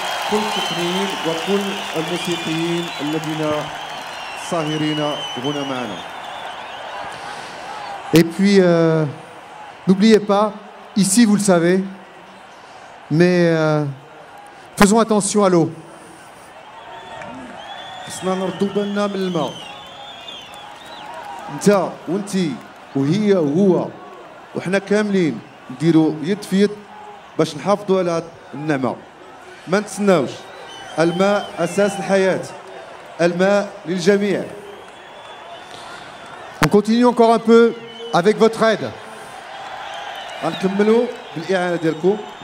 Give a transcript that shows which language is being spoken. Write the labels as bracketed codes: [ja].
[ar] كل التقنيين وكل الموسيقيين الذين ساهرين هنا معنا. [fr] Et puis n'oubliez pas, ici vous le savez, mais faisons attention à l'eau. [ar] خصنا نردو بالنا من الماء. انت وانت وهي وهو وحنا كاملين نديرو يد في يد باش نحافظوا على النعمة. ما نتسناوش الماء اساس الحياه الماء للجميع. [fr] On continue encore un peu avec votre aide. [ar] غنكملوا بالاعانه ديالكم.